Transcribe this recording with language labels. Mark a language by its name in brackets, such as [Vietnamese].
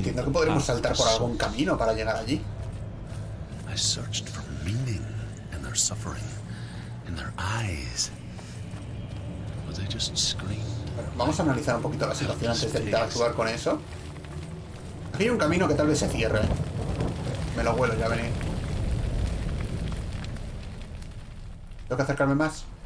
[Spanish] Entiendo que podremos saltar por algún camino para llegar allí. [English] I searched for meaning in their suffering, in their eyes. But they just screamed. [Spanish] Vamos a analizar un poquito la situación antes de intentar actuar con eso. Aquí hay un camino que tal vez se cierre. Me lo huelo, ya venir. Tengo que acercarme más.